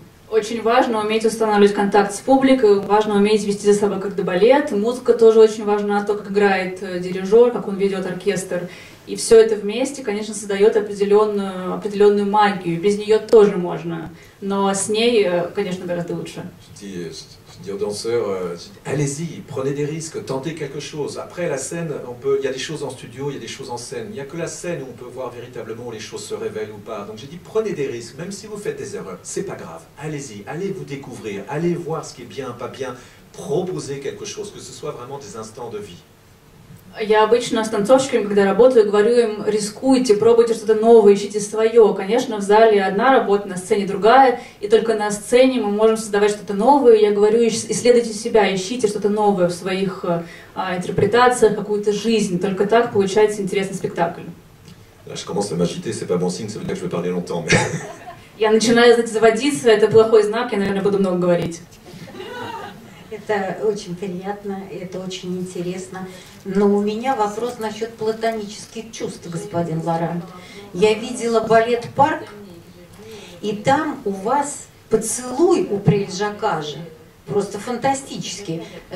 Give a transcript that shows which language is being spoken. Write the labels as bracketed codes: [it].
[ru] Очень важно уметь устанавливать контакт с публикой, важно уметь вести за собой как-то балет. Музыка тоже очень важна, то, как играет дирижер, как он ведет оркестр. И все это вместе, конечно, создает определенную магию. Без нее тоже можно, но с ней, конечно, гораздо лучше. [fr] Je dis aux danseurs, allez-y, prenez des risques, tentez quelque chose. Après, la scène, il y a des choses en studio, il y a des choses en scène. Il n'y a que la scène où on peut voir véritablement où les choses se révèlent ou pas. Donc j'ai dit, prenez des risques, même si vous faites des erreurs, c'est pas grave. Allez-y, allez vous découvrir, allez voir ce qui est bien, pas bien. Proposez quelque chose, que ce soit vraiment des instants de vie. [ru] Я обычно с танцовщиками, когда работаю, говорю им, рискуйте, пробуйте что-то новое, ищите свое. Конечно, в зале одна работа, на сцене другая, и только на сцене мы можем создавать что-то новое. Я говорю, исследуйте себя, ищите что-то новое в своих интерпретациях, какую-то жизнь. Только так получается интересный спектакль. [fr] Là, je commence à m'agiter, c'est pas bon signe, ça veut dire que je vais parler longtemps. Mais... [ru] Я начинаю заводиться, это плохой знак, я, наверное, буду много говорить. Это очень приятно, это очень интересно. Но у меня вопрос насчет платонических чувств, господин Лоран. Я видела балет «Парк», и там у вас поцелуй у Прельжакажа просто фантастический.